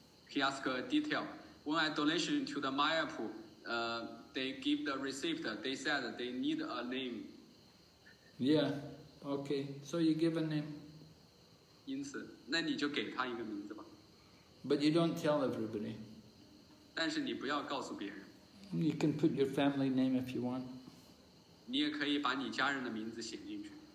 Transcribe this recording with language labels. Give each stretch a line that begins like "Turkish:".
English: He asked a detail. When I donation to the Mayapur. they give the receipt, they said they need a name. Yeah, okay, so you give a name.
Chinese: 因此，那你就给他一个名字吧。
English: But you don't tell everybody.
Chinese: 但是你不要告诉别人。
English: You can put your family name if you want.
Chinese: 你也可以把你家人的名字写进去。